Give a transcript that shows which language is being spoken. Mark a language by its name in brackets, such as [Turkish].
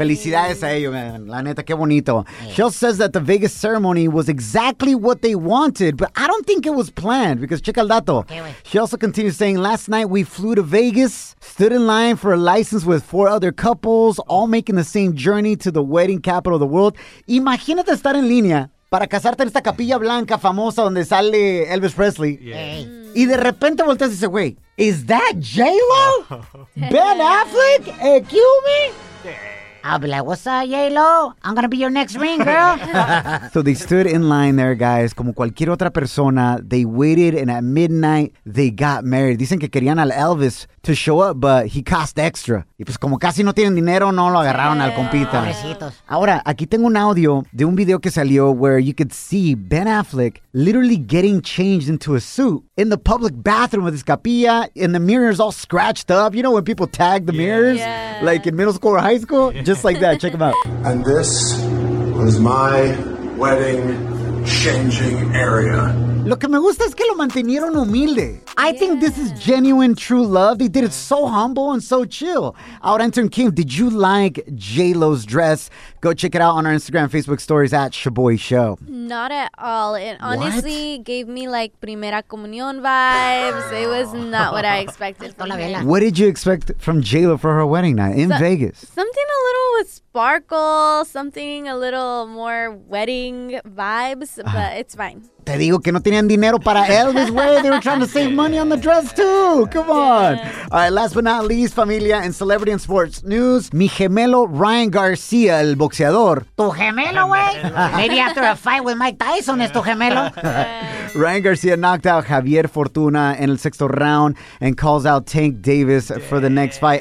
[Spanish] Felicidades a ellos, man. La neta, qué bonito. Yeah. [English] She says that the Vegas ceremony was exactly what they wanted, but I don't think it was planned because check [Spanish] el dato. [English] Okay, she also continues saying, last night we flew to Vegas, stood in line for a license with four other couples, all making the same journey to the wedding capital of the world. [Spanish] Imagínate estar en línea para casarte en esta Capilla Blanca famosa donde sale Elvis Presley. [English] Yeah. Hey. [Spanish] Y de repente volteas y dices, [English] wait, is that J-Lo? Ben Affleck? Cuby? I'll be like, what's up, J-Lo? I'm gonna be your next ring, girl. So they stood in line there, guys. [Spanish] Como cualquier otra persona, [English] they waited, and at midnight, they got married. [Spanish] Dicen que querían al Elvis [English] to show up, but he cost extra. [Spanish] Y pues como casi no tienen dinero, no lo agarraron al compita. Pobrecitos. Ahora, aquí tengo un audio de un video que salió [English] where you could see Ben Affleck literally getting changed into a suit in the public bathroom with his capilla, and the mirror's all scratched up. You know when people tag the mirrors? Yeah. Like in middle school or high school? Just like that. Check them out. And this was my wedding changing area. [Spanish] Lo que me gusta es que lo mantenieron humilde. [English] I think this is genuine, true love. They did it so humble and so chill. Out entering Kim, did you like J-Lo's dress? Go check it out on our Instagram, Facebook stories at Shaboy Show. Not at all. It honestly gave me like Primera Comunión vibes. It was not what I expected. What did you expect from J-Lo for her wedding night in Vegas? Something a little with sparkle, something a little more wedding vibes, but it's fine. [Spanish] Te digo que no tenían dinero para Elvis, güey. [English] They were trying to save money on the dress, too. Come on. Yeah. All right, last but not least, familia, in celebrity and sports news, [Spanish] mi gemelo Ryan Garcia, el boxeador. Tu gemelo, güey. [English] Maybe after a fight with Mike Tyson, [Spanish] es tu gemelo. [English] Ryan Garcia knocked out Javier Fortuna in [Spanish] el sexto round [English] and calls out Tank Davis for the next fight.